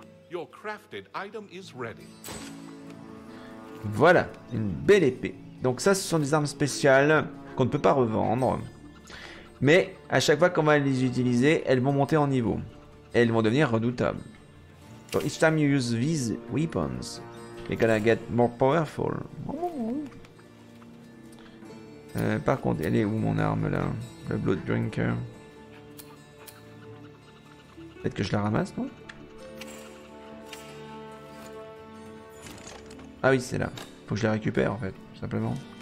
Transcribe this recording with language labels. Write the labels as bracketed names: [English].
[English] Your crafted item is ready. [French] Voilà, une belle épée. Donc ça, ce sont des armes spéciales qu'on ne peut pas revendre. Mais à chaque fois qu'on va les utiliser, elles vont monter en niveau. Et elles vont devenir redoutables. [English] So each time you use these weapons, they're gonna get more powerful. [French] Par contre, elle est où mon arme là? Le Blood Drinker. Peut-être que je la ramasse, non? Ah oui, c'est là. Faut que je la récupère, en fait, tout simplement.